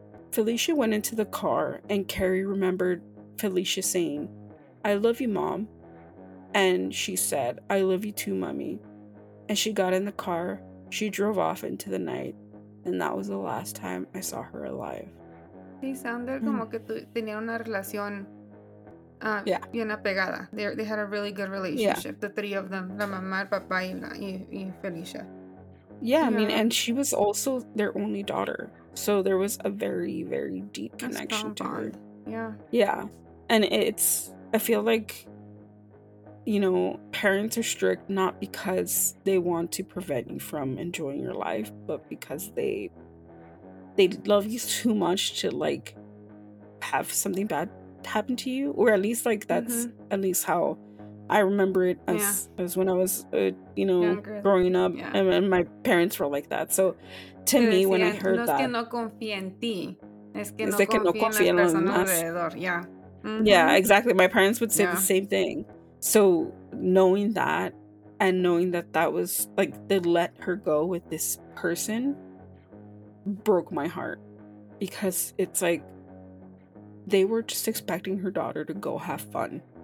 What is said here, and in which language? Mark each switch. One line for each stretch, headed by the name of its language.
English: Felicia went into the car, and Carrie remembered Felicia saying, "I love you, Mom." And she said, "I love you too, Mommy." And she got in the car. She drove off into the night. And that was the last time I saw her alive.
Spanish: Sí,
English: sounded
Spanish: como que tenían una relación bien apegada.
English: They had a really good relationship, the three of them.
Spanish: La mamá, el papá y Felicia.
English: Yeah, I mean, and she was also their only daughter. So there was a very, very deep connection to her. Yeah. Yeah. And it's, I feel like, you know, parents are strict not because they want to prevent you from enjoying your life, but because they love you too much to, like, have something bad happen to you. Or at least, like, that's at least how I remember it as when I was, you know, younger, growing up. Yeah. And my parents were like that. So to me, when I heard that.
Spanish: Es que no confía en ti. Es que no confía en las personas alrededor.
English: Yeah. Mm-hmm. Yeah, exactly. My parents would say the same thing. So knowing that, and knowing that that was, like, they let her go with this person, broke my heart. Because it's like, they were just expecting her daughter to go have fun.